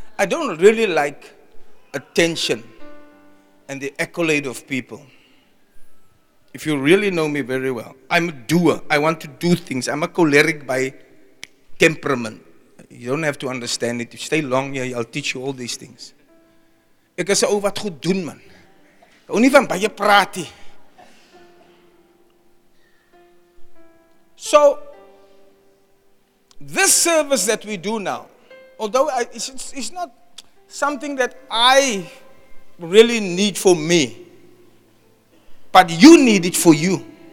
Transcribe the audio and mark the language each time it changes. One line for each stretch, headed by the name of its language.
English: I don't really like attention and the accolade of people. If you really know me very well, I'm a doer. I want to do things. I'm a choleric by temperament. You don't have to understand it. You stay long here, I'll teach you all these things.
Afrikaans: Ek is 'n ou wat goed doen, man. Ek hou nie van baie praat nie.
English: So, this service that we do now, although it's not something that I really need for me, but you need it for you.